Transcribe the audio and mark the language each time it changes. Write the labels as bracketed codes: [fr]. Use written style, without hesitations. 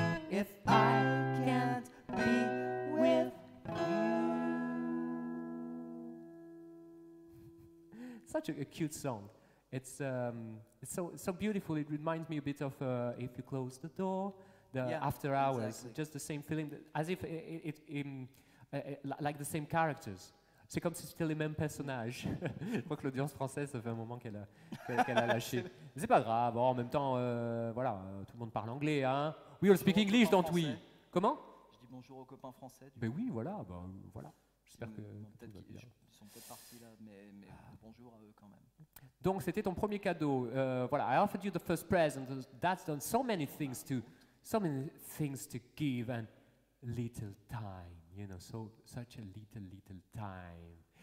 [en] If I can't be with you. Such a cute song. It's so beautiful. It reminds me a bit of If You Close the Door, After Hours. Exactly. Just the same feeling, as if it's like the same characters. [fr] C'est comme si c'était les mêmes personnages. Je crois que l'audience française, ça fait un moment qu'elle a lâché. Mais c'est pas grave. Oh, en même temps, tout le monde parle anglais, hein. [en] We all speak English, don't we? [fr] Comment? Je dis bonjour aux copains français. Ben oui, voilà. J'espère que. Ils sont peut-être partis là, mais bonjour à eux quand même. Donc c'était ton premier cadeau. Voilà, [en] I offered you the first present. [fr] That's done so many things to give and little time, you know, such a little time.